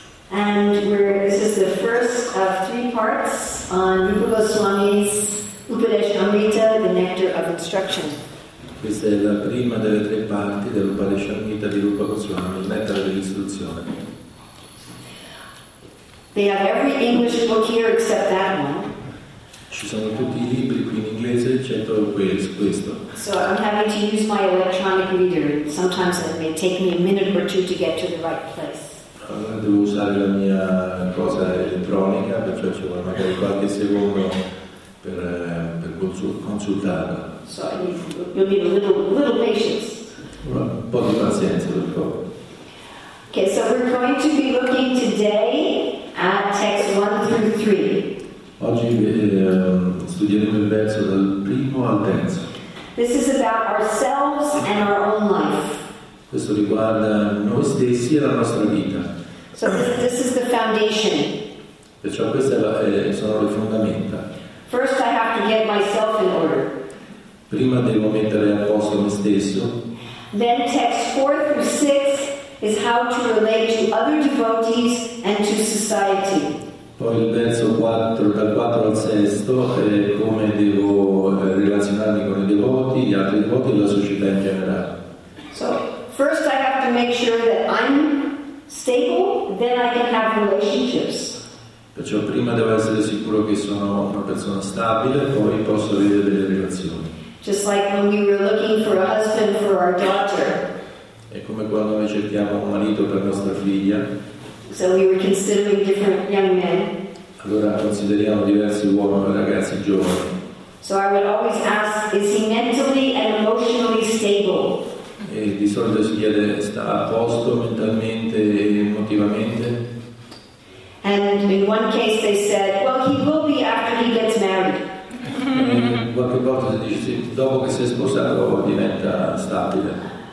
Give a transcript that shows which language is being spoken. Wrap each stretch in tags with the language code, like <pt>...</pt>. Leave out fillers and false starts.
<en>And this is the first of three parts on Rupa Goswami's Upadeshamrita, the Nectar of Instruction.</en> <it>Questa è la prima delle tre parti dell'Upadeshamrita di Rupa Goswami, il metodo dell'istruzione.</it> <en>They have every English book here except that one.</en> <it>Ci sono tutti I libri qui in inglese eccetto questo.</it> <en>So I'm having to use my electronic reader. Sometimes it may take me a minute or two to get to the right place.</en> <it>Allora devo usare la mia cosa elettronica, perciò ci vuole magari qualche secondo per consultarla.</it> <en>So you'll need a little patience.</en> <it>Un po' di pazienza, per favore.</it> <en>Okay, so we're going to be looking today at text 1-3.</en> <it>Oggi studieremo il verso dal primo al terzo.</it> <en>This is about ourselves and our own life.</en> <it>Questo riguarda noi stessi e la nostra vita.</it> <en>So this is the foundation.</en> <it>Perciò queste sono le fondamenta.</it> <en>First I have to get myself in order.</en> <it>Prima devo mettere a posto me stesso.</it> <en>Then text 4-6 is how to relate to other devotees and to society.</en> <it>Poi il verso 4, dal 4 al 6 è come devo relazionarmi con I devoti, gli altri devoti e la società in generale.</it> <en>So first I have to make sure that I'm stable, then I can have relationships.</en> <it>Perciò prima devo essere sicuro che sono una persona stabile, poi posso avere delle relazioni.</it> <en>Just like when we were looking for a husband for our daughter.</en> <it>È come quando noi cerchiamo un marito per nostra figlia.</it> <en>So we were considering different young men.</en> <it>Allora consideriamo diversi uomini, ragazzi giovani.</it> <en>So I would always ask, is he mentally and emotionally stable?</en> <it>E di solito si chiede, sta a posto mentalmente e emotivamente?</it> <en>And in one case they said, well, he will be after he gets married.</en> <it>Qualche volta si dice dopo che si è sposato diventa stabile.</it>